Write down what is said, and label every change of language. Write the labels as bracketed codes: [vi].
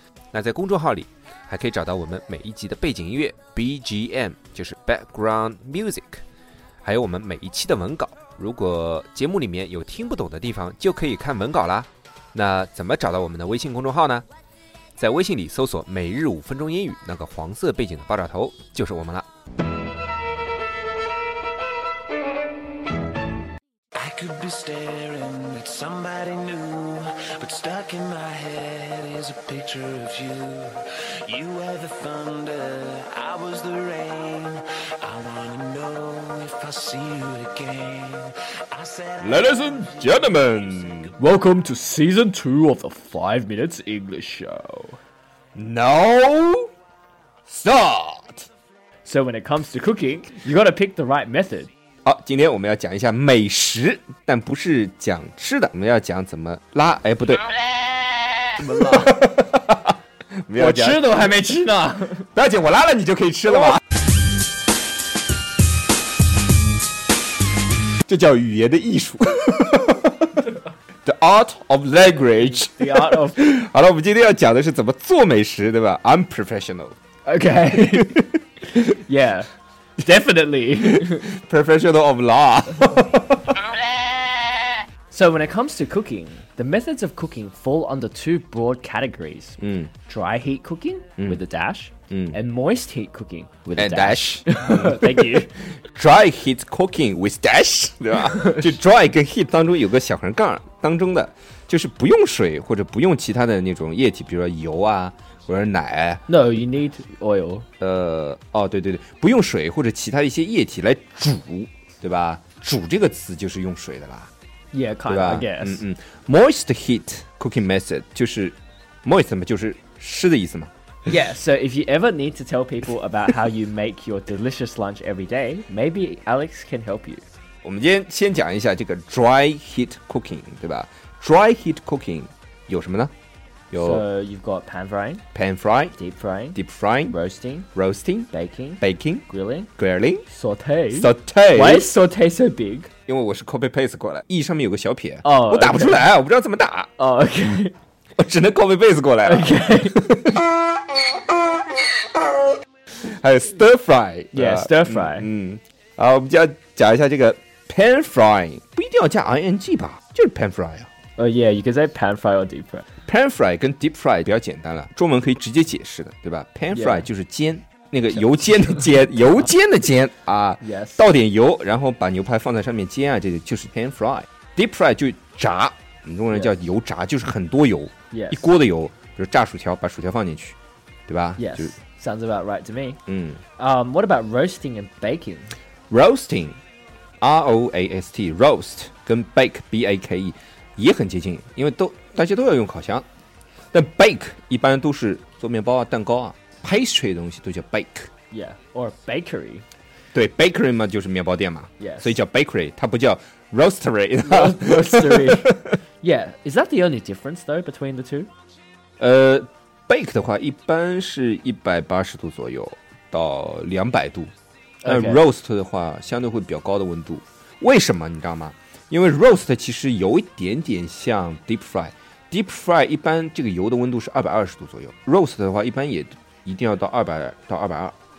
[zh] 那在公众号里还可以找到我们每一集的背景音乐 BGM， 就是 Background Music， 还有我们每一期的文稿，如果节目里面有听不懂的地方就可以看文稿啦。那怎么找到我们的微信公众号呢？在微信里搜索每日五分钟英语，那个黄色背景的爆炸头就是我们了。 [en] I could be staring at somebody new, but stuck in my head is a picture of you. You were the thunder, I was the rain. I wanna know if I see you again. I said, Ladies and gentlemen, welcome to season 2 of the 5 Minutes English Show. Now, start! So when it comes to cooking, you gotta pick the right method. [zh] 好，今天我们要讲一下美食，但不是讲吃的，我们要讲怎么拉。哎，不对，怎么拉？我吃都还没吃呢。不要紧，我拉了你就可以吃了嘛。这叫语言的艺术。 [en] The art of language. The art of. [zh] 好了，我们今天要讲的是怎么做美食，对吧 ？ [en] I'm professional. Okay. Yeah. Definitely. Professional of law. So when it comes to cooking, the methods of cooking fall under two broad categories. Dry heat cooking with a dash and moist heat cooking with and a dash. Thank you. Dry heat cooking with dash. [zh] 对吧？就 dry 跟 heat 当中有个小横杠，当中的就是不用水或者不用其他的那种液体，比如说油啊。或者奶 [en] ？No, you need oil. [zh] 哦，对对对，不用水或者其他一些液体来煮，对吧？煮这个词就是用水的啦。 [en] Yeah, kind of, I guess. [zh] Moist heat cooking method 就是 moist 嘛，就是湿的意思嘛。 [en] Yeah, so if you ever need to tell people about how you make your delicious lunch every day, maybe Alex can help you. [zh] 我们今天先讲一下这个 dry heat cooking， 对吧 ？Dry heat cooking 有什么呢？ [en] So you've got pan frying, deep frying, roasting, baking, grilling, saute. Why is saute so big? [zh] 因为我是 copy paste 过来 ，e 上面有个小撇， [en] oh, okay. [zh] 我打不出来，我不知道怎么打。 [en] Oh, OK， [zh] 我只能 copy paste 过来了。 [en] OK， [zh] 还有 stir fry， [en] yeah， stir fry。 [zh] 好，我们就要讲一下这个 pan frying， 不一定要加 ing 吧，就是 pan fry 啊。 [en] Yeah, you can say pan fry or deep fry. [zh] Pan fry 跟 deep fry 比较简单了，中文可以直接解释的，对吧 ？Pan fry、 [en] yeah. [zh] 就是煎，那个油煎的煎，油煎的煎啊。 [en] Yes. [zh] 倒点油，然后把牛排放在上面煎啊，这个就是 pan fry. Deep fry 就炸，我们中国人叫油炸， [en] yes. [zh] 就是很多油， [en] yes. [zh] 一锅的油，比如炸薯条，把薯条放进去，对吧 [en] ？Yes. Sounds about right to me. 嗯。 What about roasting and baking? Roasting, R-O-A-S-T, roast 跟 bake, B-A-K-E. [zh] 也很接近，因为都大家都要用烤箱，但 bake 一般都是做面包啊、蛋糕啊、pastry 的东西都叫 bake， [en] yeah， or bakery， [zh] 对 bakery 嘛就是面包店嘛， [en] yes. [zh] 所以叫 bakery， 它不叫 roastery， [en] roastery， yeah， is that the only difference though between the two？ [zh] bake 的话一般是180度左右到200度，那 roast 的话、 [en] okay. [zh] 相对会比较高的温度，为什么你知道吗？因为 roast 其实有一点点像 deep fry， deep fry 一般这个油的温度是220度左右， roast 的话一般也一定要到200到220。